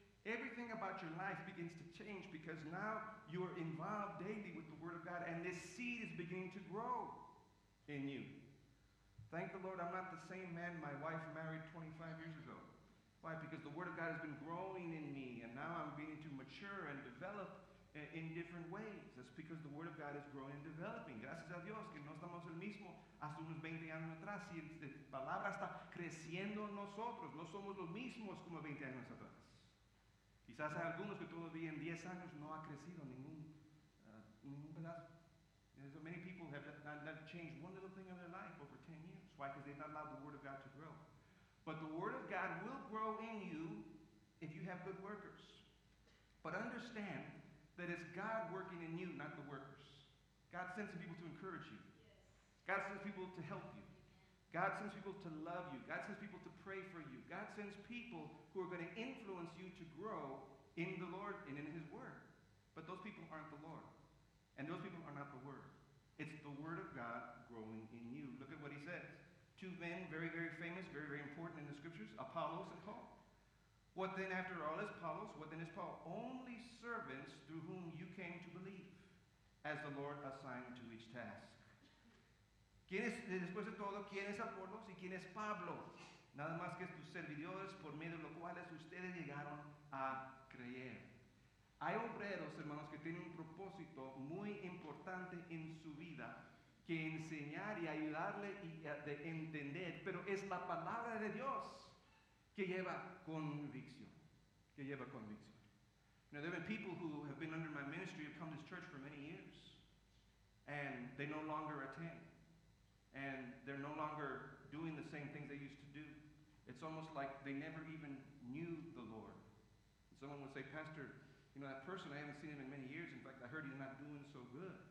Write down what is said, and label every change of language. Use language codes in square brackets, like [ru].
[en] Everything about your life begins to change because now you are involved daily with the Word of God and this seed is beginning to grow in you. Thank the Lord I'm not the same man my wife married 25 years ago. Why? Because the Word of God has been growing in me and now I'm beginning to mature and develop in different ways. That's because the Word of God is growing and developing. [es] Gracias a Dios que no estamos el mismo hasta unos 20 años atrás. Si la palabra está creciendo en nosotros, no somos los mismos como 20 años atrás. Quizás hay algunos que todavía en 10 años no ha crecido ningún pedazo. [en] So many people have not changed one little thing in their life over 10 years. Why? Because they've not allowed the Word of God to grow. But the Word of God will grow in you if you have good workers. But understand that it's God working in you, not the workers. God sends people to encourage you. God sends people to help you. God sends people to love you. God sends people to pray for you. God sends people who are going to influence you to grow in the Lord and in His Word. But those people aren't the Lord. And those people are not the Word. It's the Word of God growing in you. Look at what he says. Two men, very, very famous, very, very important in the Scriptures, Apollos and Paul. What then, after all, is Apollos? What then is Paul? Only servants through whom you came to believe, as the Lord assigned to each task. [es] ¿Quién es, después de todo, quién es Apolos y quién es Pablo? Nada más que tus servidores por medio de los cuales ustedes llegaron a creer. Hay obreros, hermanos, que tienen un propósito muy importante en su vida, que enseñar y ayudarle y de entender, pero es la palabra de Dios que lleva convicción, que lleva convicción. [en] Now, there have been people who have been under my ministry, have come to this church for many years, and they no longer attend. And they're no longer doing the same things they used to do. It's almost like they never even knew the Lord. And someone would say, Pastor, you know, that person, I haven't seen him in many years. In fact, I heard he's not doing so good.